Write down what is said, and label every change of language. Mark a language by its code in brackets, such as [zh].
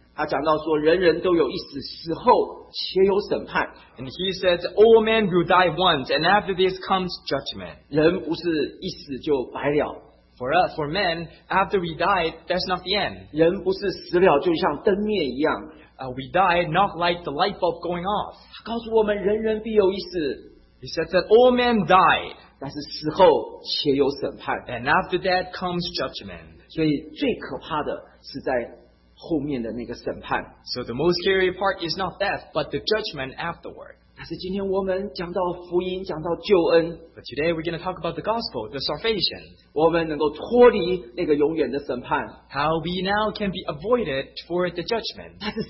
[zh] 他讲到说，人人都有一死，死后且有审判。 [en] And he said, all men will die once, and after this comes judgment. [zh] 人不是一死就白了。 [en] For us, for men, after we die, that's not the end. [zh] 人不是死了就像灯灭一样。 [en] We die not like the light bulb going off. [zh] 告诉我们人人必有一死。 [en] He said that all men die. [zh] 但是死后且有审判。 [en] And after that comes judgment. [zh] 所以最可怕的是在后面的那个审判。 [en] So the most scary part is not death, but the judgment afterward. [zh] 但是今天我们讲到福音，讲到救恩。 [en] But today we're going to talk about the gospel, the salvation. [zh] 我们能够脱离那个永远的审判。 [en] How we now can be avoided for the judgment.